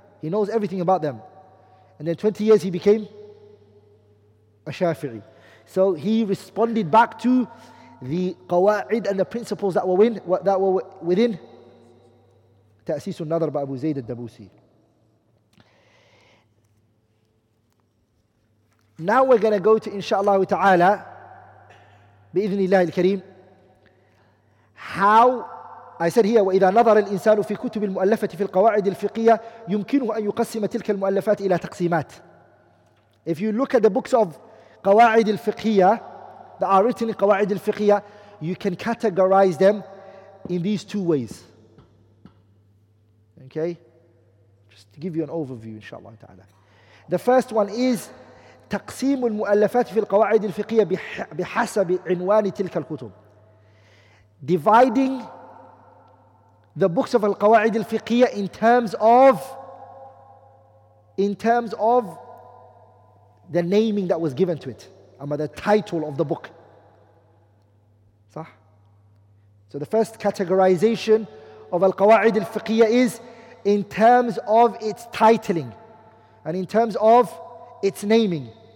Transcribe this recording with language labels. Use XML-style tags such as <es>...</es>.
<en>He knows everything about them. And then 20 years he became a Shafi'i. So he responded back to the Qawa'id and the principles that were within Ta'sis al-Nadhar by Abu Zayd al-Dabusi. Now we're going to go to, inshaAllah ta'ala,</en> <ar>بإذن الله الكريم,</ar> <en>how I said here,</en> <ar>وإذا نظر الإنسان في كتب المؤلفة في القواعد الفقهية يمكنه أن يقسم تلك المؤلفات إلى تقسيمات.</ar> <en>If you look at the books of قواعد الفقهية that are written in قواعد الفقهية, you can categorize them in these two ways. Okay, just to give you an overview, inshallah ta'ala. The first one is</en> <ar>تقسيم المؤلفات في القواعد الفقهية بحسب عنوان تلك الكتب.</ar> <en>Dividing the books of القواعد الفقهية in terms of the naming that was given to it, the title of the book. صح؟ So the first categorization of القواعد الفقهية is in terms of its titling and in terms of its naming.</en>